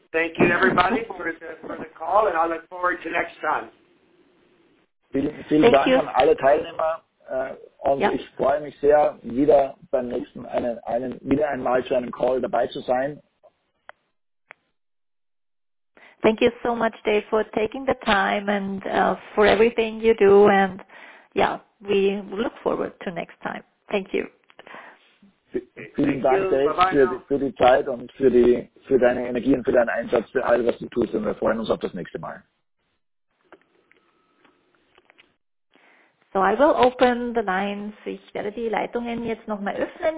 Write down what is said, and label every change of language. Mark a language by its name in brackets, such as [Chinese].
[English] Thank you, everybody, for the call, and I look forward to next time. [German] Vielen Dank [English] you. [German] An alle Teilnehmer. Ich freue mich sehr, wieder beim nächsten wieder einmal zu einem Call dabei zu sein. [English] Thank you so much, Dave, for taking the time and for everything you do. And yeah, we look forward to next time. Thank you. [German] Vielen Dank, Dave, für die Zeit und für deine Energie und für deinen Einsatz, für all was du tust, und wir freuen uns auf das nächste Mal. [English] So, I will open the lines. [German] Ich werde die Leitungen jetzt nochmal öffnen.